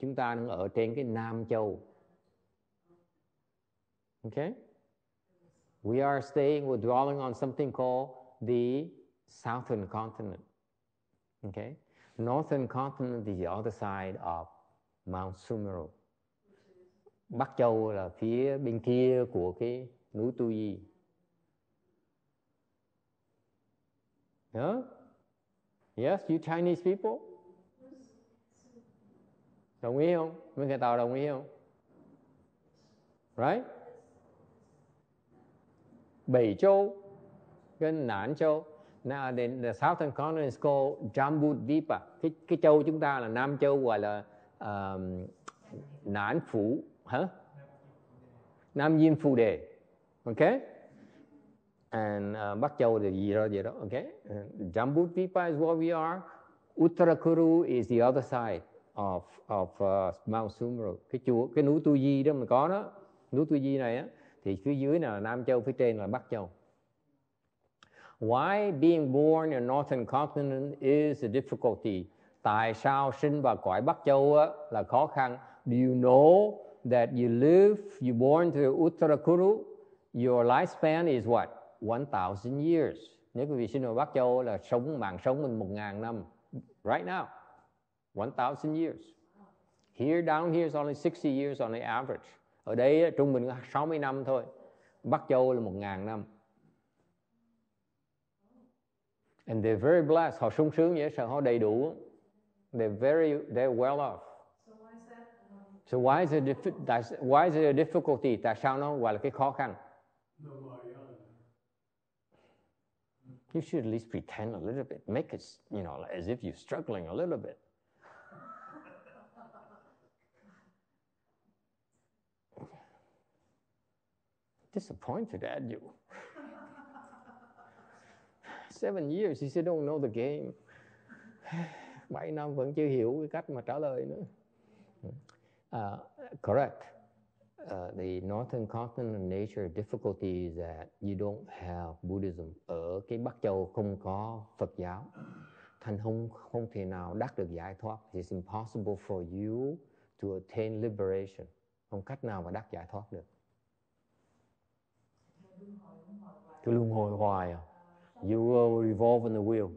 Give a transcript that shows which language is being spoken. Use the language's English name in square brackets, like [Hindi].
[Vietnamese] Chúng ta đang ở trên cái Nam Châu. [English] Okay? We are staying, we're dwelling on something called the southern continent. Okay? Northern continent is the other side of Mount Sumeru. [Vietnamese] Bắc Châu là phía bên kia của cái núi Tu Yi. [English] Huh? Yes, you Chinese people? [Vietnamese] Đồng ý không? Mấy người tàu đồng ý không? [English] Right? [Vietnamese] Bảy Châu gần Nam Châu. [English] Now then the southern corner is called Jambudvipa. [Vietnamese] Cái châu chúng ta là Nam Châu gọi là Nam Phủ. Huh? Nam Diêm Phù Đề. Okay? And Bắc Châu thì gì đó, vậy đó. [English] Okay? Jambudvipa is where we are. Uttarakuru is the other side of Mount Sumeru. [Vietnamese] Cái núi Tu Di đó mình có đó. Núi Tu Di này á. Thì phía dưới là Nam Châu, phía trên là Bắc Châu. [English] Why being born in northern continent is a difficulty? [Vietnamese] Tại sao sinh vào cõi Bắc Châu là khó khăn? [English] Do you know that you're born to Uttarakuru? Your lifespan is what? 1,000 years. [Vietnamese] Nếu quý vị sinh vào Bắc Châu là sống mạng sống mình 1,000 năm. [English] Right now, 1,000 years. Here, down here is only 60 years on the average. [Vietnamese] Ở đây trung bình 60 năm thôi. Bắc Châu là 1,000 năm. [English] And they're very blessed. [Vietnamese] Họ sung sướng dễ sợ, họ đầy đủ. [English] They're well off. So why is that? So why is it a difficulty? [Vietnamese] Tại sao nó gọi là cái khó khăn? [English] You should at least pretend a little bit. Make it, you know, as if you're struggling a little bit. disappointed at you. 7 years, you still don't know the game. [Vietnamese] 7 năm vẫn chưa hiểu cái cách mà trả lời nữa. [English] Correct. The Northern Continental Nature difficulty is that you don't have Buddhism. [Vietnamese] Ở cái Bắc Châu không có Phật giáo. Thành không thể nào đắc được giải thoát. [English] It's impossible for you to attain liberation. [Vietnamese] Không cách nào mà đắc giải thoát được. Cứ luân hồi hoài à. [English] You will revolve in the wheel.